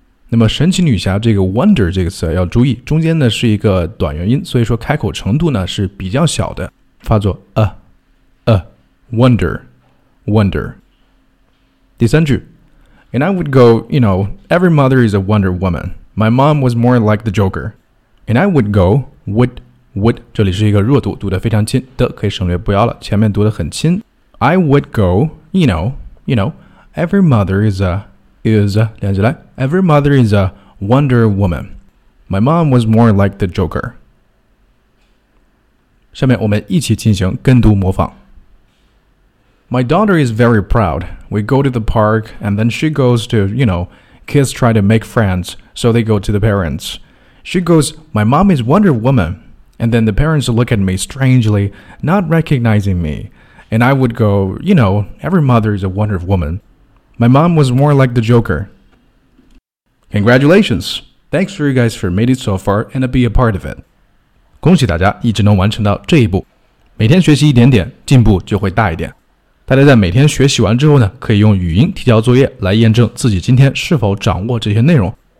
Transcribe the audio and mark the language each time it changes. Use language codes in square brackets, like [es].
[zh] 那么神奇女侠这个 wonder 这个词要注意，中间呢是一个短元音，所以说开口程度呢是比较小的，发作 wonder. 第三句 [en] And I would go, you know, every mother is a Wonder Woman. My mom was more like the Joker. And I would go, would, [zh] would 这里是一个弱读，读得非常轻，的可以省略不要了，前面读得很轻。 [en] I would go, you know, every mother is a, [zh] 连起来 [en] every mother is a Wonder Woman. My mom was more like the Joker. [zh] 下面我们一起进行跟读模仿。 [en] My daughter is very proud. We go to the park and then she goes to, you know, kids try to make friends, so they go to the parents. She goes, my mom is Wonder Woman. And then the parents look at me strangely, not recognizing me. And I would go, you know, every mother is a Wonder Woman. My mom was more like the Joker. Congratulations! Thanks for you guys for made it so far and to be a part of it. [zh] 恭喜大家一直能完成到这一步。每天学习一点点，进步就会大一点。大家在每天学习完之后呢，可以用语音提交作业来验证自己今天是否掌握这些内容。